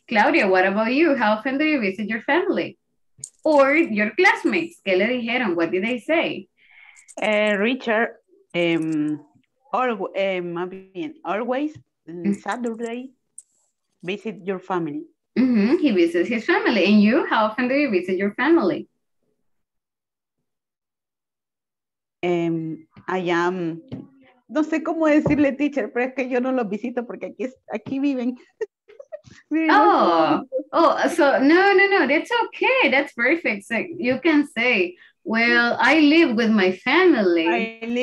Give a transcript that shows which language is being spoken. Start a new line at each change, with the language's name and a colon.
English: Claudia, what about you? How often do you visit your family? Or your classmates?
Spanish: ¿Qué le dijeron?
English: What did they say? Richard, always Saturday visit your family. Mm-hmm. He visits his family. And you, how often do you visit your family? I am,
Spanish: no sé cómo decirle, teacher, pero es que yo no los visito porque aquí viven.
English: So no, that's okay, that's perfect. So you can say, well, I live with my family.